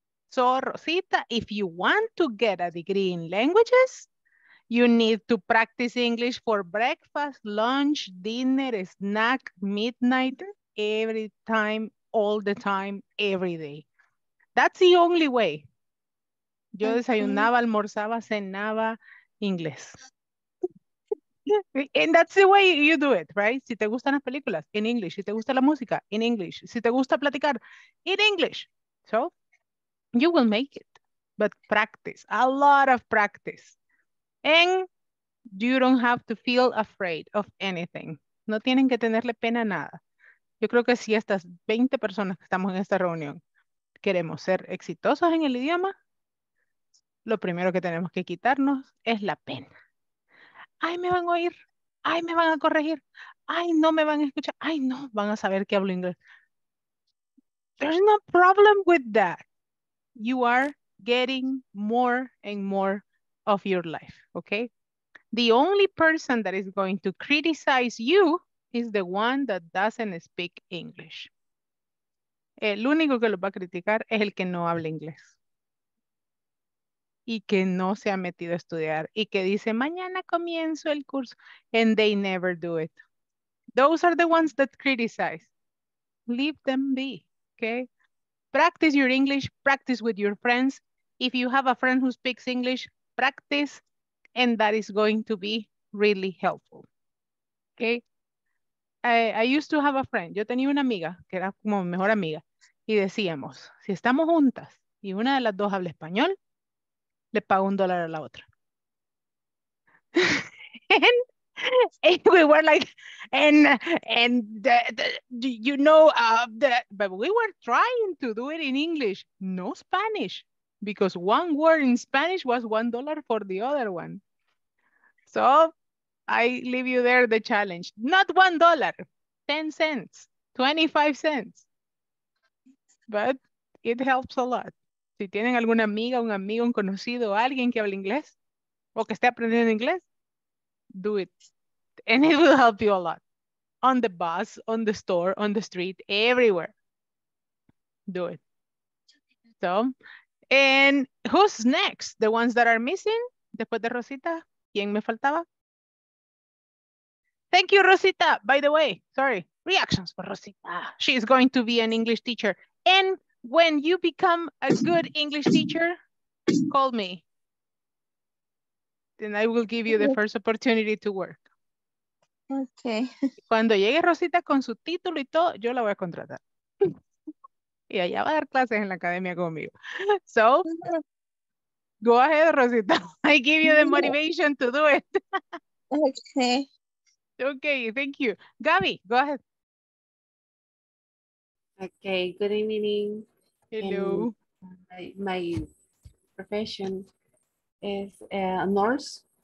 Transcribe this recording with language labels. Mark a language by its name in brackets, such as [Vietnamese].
[English] So Rosita, if you want to get a degree in languages, you need to practice English for breakfast, lunch, dinner, snack, midnight, every time, all the time, every day. That's the only way. [Spanish] Yo desayunaba, almorzaba, cenaba, inglés. [English] And that's the way you do it, right? [Spanish] Si te gustan las películas, [English] in English. [Spanish] Si te gusta la música, in English. Si te gusta platicar, [English] in English. So, you will make it. But practice, a lot of practice. And you don't have to feel afraid of anything. [Spanish] No tienen que tenerle pena a nada. Yo creo que si estas 20 personas que estamos en esta reunión queremos ser exitosos en el idioma, lo primero que tenemos que quitarnos es la pena. Ay, me van a oír. Ay, me van a corregir. Ay, no me van a escuchar. Ay, no, van a saber que hablo inglés. [English] There's no problem with that. You are getting more and more of your life, okay? The only person that is going to criticize you is the one that doesn't speak English. [Spanish] El único que lo va a criticar es el que no habla inglés. Y que no se ha metido a estudiar. Y que dice, mañana comienzo el curso. [English] And they never do it. Those are the ones that criticize. Leave them be, okay? Practice your English. Practice with your friends. If you have a friend who speaks English, practice. And that is going to be really helpful, okay? I used to have a friend. [Spanish] Yo tenía una amiga, que era como mi mejor amiga. Y decíamos, si estamos juntas y una de las dos habla español, le pago $1 a la otra. [English] And we were like, but we were trying to do it in English, no Spanish, because one word in Spanish was $1 for the other one. So I leave you there the challenge. Not $1, 10 cents, 25 cents. But it helps a lot. [Spanish] Si tienen alguna amiga, un amigo, un conocido, alguien que hable inglés o que esté aprendiendo inglés, [English] do it. And it will help you a lot. On the bus, on the store, on the street, everywhere. Do it. So, and who's next? The ones that are missing? [Spanish] Después de Rosita, ¿quién me faltaba? [English] Thank you, Rosita. By the way, sorry. Reactions for Rosita. She is going to be an English teacher. And when you become a good English teacher, call me. Then I will give you the first opportunity to work. Okay. [Spanish] Cuando llegue Rosita con su título y todo, yo la voy a contratar. Y allá va a dar clases en la academia conmigo. [English] So, go ahead, Rosita. I give you the motivation to do it. Okay. Okay, thank you. Gabby, go ahead. Okay, good evening. Hello. My profession is a nurse.